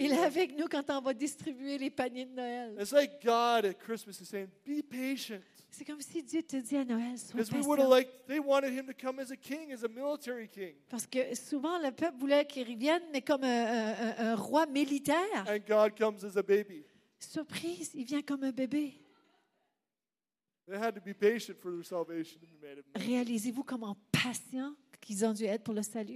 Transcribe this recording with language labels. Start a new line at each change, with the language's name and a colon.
French: Il est avec nous quand on va distribuer les paniers de Noël.
English: It's like God at Christmas is saying, be patient.
French: C'est comme si Dieu te dit à Noël, sois patient.
English: Because we would have liked, they wanted him to come as a king, as a military king.
French: Parce que souvent le peuple voulait qu'il revienne mais comme un roi militaire.
English: And God comes as a baby.
French: Surprise, il vient comme un bébé.
English: They had to be patient for their salvation to be made of them.
French: Réalisez-vous comment patient qu'ils ont dû être pour le salut.